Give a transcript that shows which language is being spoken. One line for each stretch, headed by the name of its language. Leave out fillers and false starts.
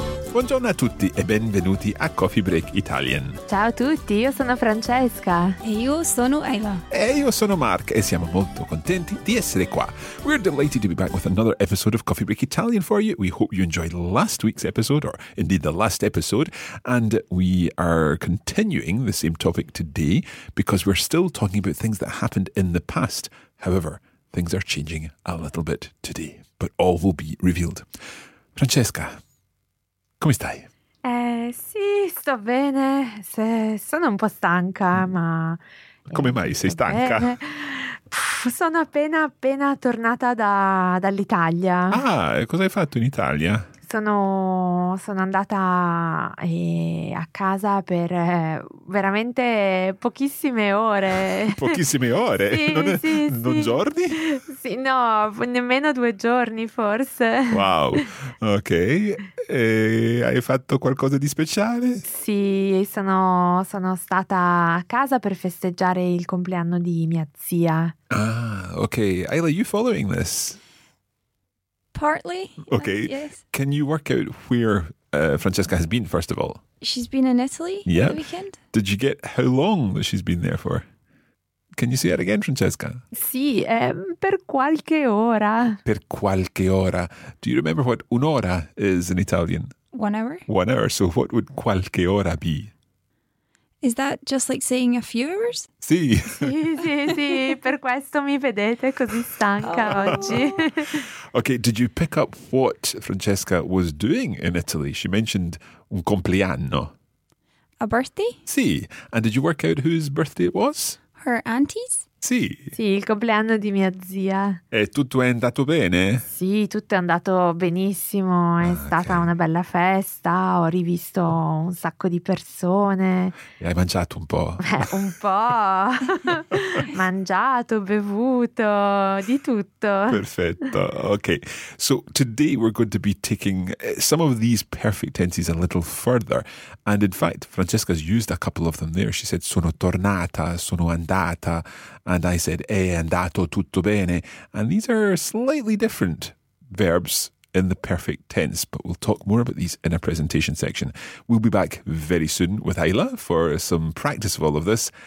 Italian: Buongiorno a tutti e benvenuti a Coffee Break Italian. Ciao a tutti, io sono Francesca. E io sono Eva. E io sono Mark e siamo molto contenti di essere qua.
English: We're delighted to be back with another episode of Coffee Break Italian for you. We hope you enjoyed last week's episode, or indeed the last episode. And we are continuing the same topic today because we're still talking about things that happened in the past. However, things are changing a little bit today, but all will be revealed.
Italian: Francesca, come stai? Sì, sto bene. Sono un po' stanca, ma... Come mai sei stanca? Sono appena tornata dall'Italia. Ah, cosa hai fatto in Italia? Sono andata a casa per veramente pochissime ore. Pochissime ore? Sì, non, sì, non sì. Giorni? Sì, no, nemmeno 2 giorni forse. Wow, ok. E hai fatto qualcosa di speciale? Sì, sono stata a casa per festeggiare il compleanno di mia zia. Ah, ok.
English: Ayla, are you following this? Partly. Okay. Yes. Can you work out where Francesca has been, first of all? She's been in Italy for the weekend. Did you get how long she's been there for? Can you say that again, Francesca?
Italian: Sì, per qualche ora. Per qualche ora.
English: Do you remember what un'ora is in Italian? 1 hour. 1 hour. So what would qualche ora be? Is that just like saying a few hours?
Italian: Sì. Sì, sì, sì. Per questo mi vedete così stanca oggi.
English: Okay, did you pick up what Francesca was doing in Italy? She mentioned un compleanno. A birthday?
Italian: Sì.
English: And did you work out whose birthday it was? Her auntie's?
Italian: Sì. Sì, il compleanno di mia zia. E tutto è andato bene? Sì, tutto è andato benissimo. È stata una bella festa. Ho rivisto un sacco di persone. E hai mangiato un po'? Un po'. Mangiato, bevuto, di tutto. Perfetto. Ok.
English: So today we're going to be taking some of these perfect tenses a little further. And in fact, Francesca's used a couple of them there. She said,
Italian: sono tornata, sono andata.
English: And I said,
Italian: è andato tutto bene.
English: And these are slightly different verbs in the perfect tense, but we'll talk more about these in a presentation section. We'll be back very soon with Ayla for some practice of all of this.